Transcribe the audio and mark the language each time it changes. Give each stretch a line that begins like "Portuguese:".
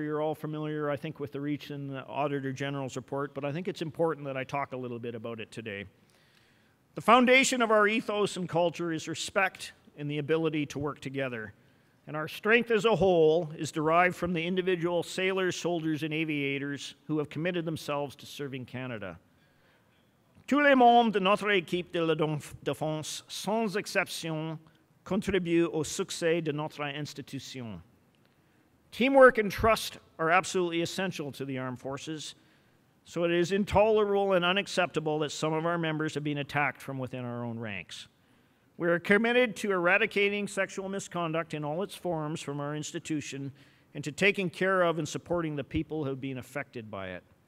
English: You're all familiar, I think, with the reach in the Auditor General's report, but I think it's important that I talk a little bit about it today. The foundation of our ethos and culture is respect and the ability to work together. And our strength as a whole is derived from the individual sailors, soldiers, and aviators who have committed themselves to serving Canada.
French: Tous les membres de notre équipe de la défense, sans exception, contribuent au succès de notre institution.
English: Teamwork and trust are absolutely essential to the armed forces, so it is intolerable and unacceptable that some of our members have been attacked from within our own ranks. We are committed to eradicating sexual misconduct in all its forms from our institution and to taking care of and supporting the people who have been affected by it.